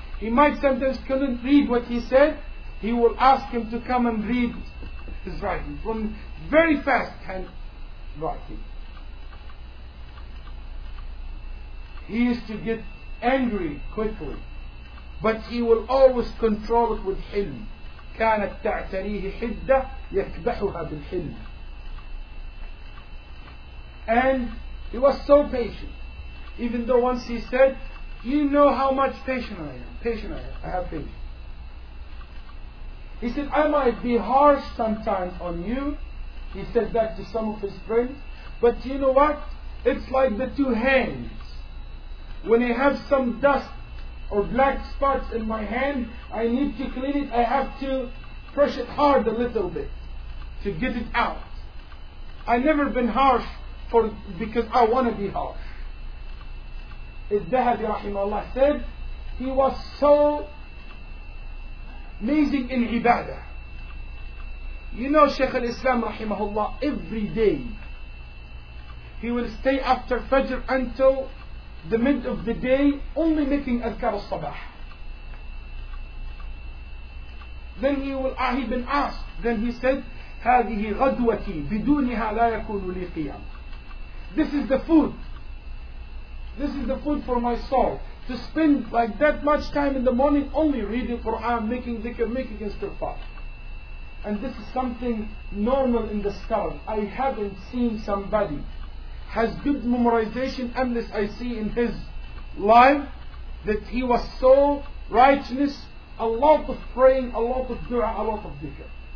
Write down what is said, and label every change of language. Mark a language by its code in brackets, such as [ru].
[en] He might sometimes couldn't read what he said, he will ask him to come and read his writing from very fast hand. Writing. He used to get angry quickly, but he will always control it with حلم. [ar] كانت تعتريه حدة يكبحها بالحلم. [en] And he was so patient. Even though once he said, "You know how much patient I am. I have patience." He said, "I might be harsh sometimes on you." He said that to some of his friends. But you know what? It's like the two hands. When I have some dust or black spots in my hand, I need to clean it. I have to push it hard a little bit to get it out. I've never been harsh because I want to be harsh. Al-Dhahabi rahimahullah said, he was so amazing in ibadah. You know Shaykh al-Islam rahimahullah, every day he will stay after Fajr until the mid of the day only making Adhkar al-Sabah. Then he will, he been asked, then he said, [ar] هذه غدوتي بدونها لا يكون لي قيام. [en] This is the food for my soul. To spend like that much time in the morning only reading Quran, making dhikr, making istighfar. And this is something normal in the scholar. I haven't seen somebody has good memorization unless I see in his life that he was so righteous, a lot of praying, a lot of dua, a lot of dhikr.